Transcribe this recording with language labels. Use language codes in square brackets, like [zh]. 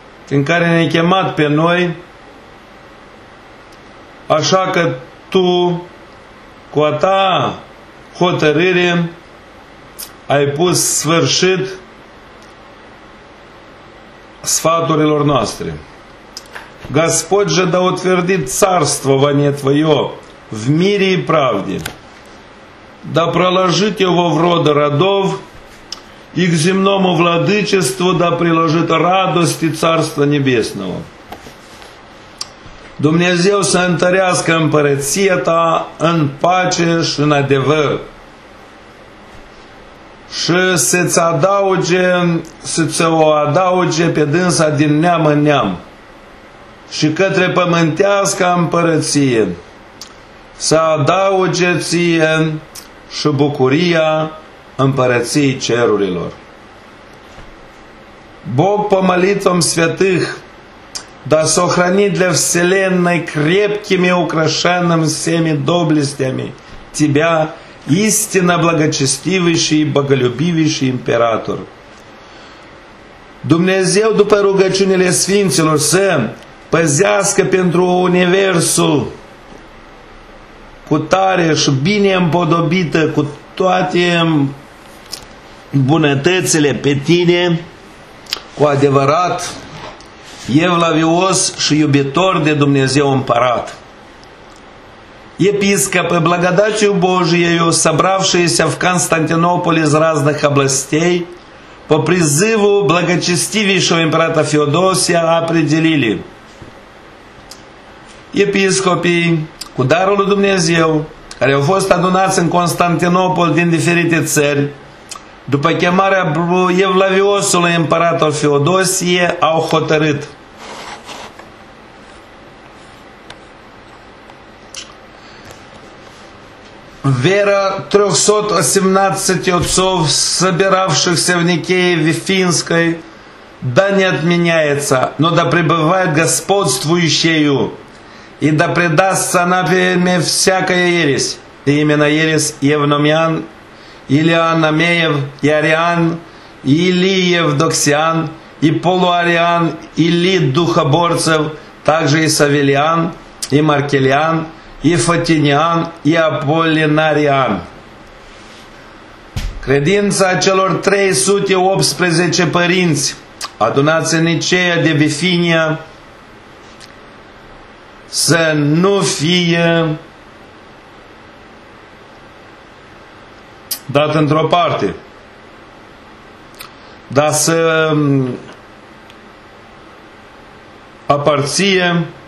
[ro] în care ne-ai chemat pe noi, așa că tu, cu a ta hotărâre, ai pus sfârșit сфатурилор ностри. [ru] Господь же да утвердит царствование Твое в мире и правде, да проложит его в рода родов, и к земному владычеству да приложит радости Царства Небесного. [ro] Dumnezeu să întărească împărăția ta în pace și în adevăr. Și să-ți adauge, să-ți o adauge pe dânsa din neam în neam. Și către pământească împărăție, să adauge ție și bucuria împărăției cerurilor. [ru] Бог по молитвам святых да сохранит для вселенной крепкими украшенными всеми доблестями тебя, истинно благочестивейший и боголюбивейший император. [ro] Dumnezeu, după rugăciunile sfinților, să păzească pentru universul cu tare și bine împodobită cu toate bunătățile pe tine, cu adevărat evlavios și iubitor de Dumnezeu împărat. [ru] Епископы, благодатью Божией, собравшиеся в Константинополе из разных областей, по призыву благочестивейшего императора Феодосия определили. Епископы, [ro] cu darul lui Dumnezeu, care au fost adunați în Константинопол din diferite țări, după chemarea Евлавиосului император Феодосие, au hotărât. [ru] Вера 318 отцов, собиравшихся в Никее Финской, да не отменяется, но да пребывает господствующею, и да предастся на время всякая ересь, и именно ересь Евномиан, Илианомеев, Иариан, Илиевдоксиан, и полуариан, Или духоборцев, также и Савелиан, и Маркелиан, и Фатиниан, и Аполлинариан. [ro] Credința celor 318 părinți adunați în Niceea de Bifinia să nu fie dat într-o parte, dar să aparție